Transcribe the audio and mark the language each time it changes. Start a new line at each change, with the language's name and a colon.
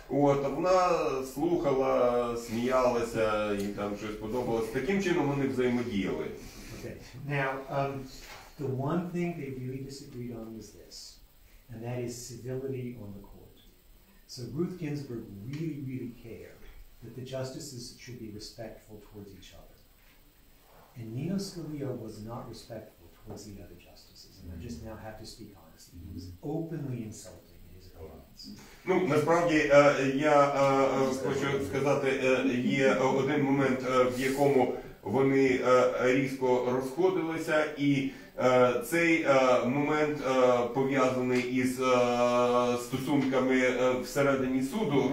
Ukrainian: От, а вона слухала, сміялася, їй там щось подобалось. Таким чином вони взаємодіяли.
English: Okay. Now, the one thing they really disagreed on was this, and that is civility on the court. So Ruth Ginsburg really, really cared that the justices should be respectful towards each other. And Nino Scalia was not respectful towards the other justices. And I just now have to speak honestly. He was openly insulting in his opponents.
Ukrainian: Ну, насправді, я хочу сказати, є один момент, в якому вони різко розходилися, і цей момент пов'язаний із стосунками всередині суду.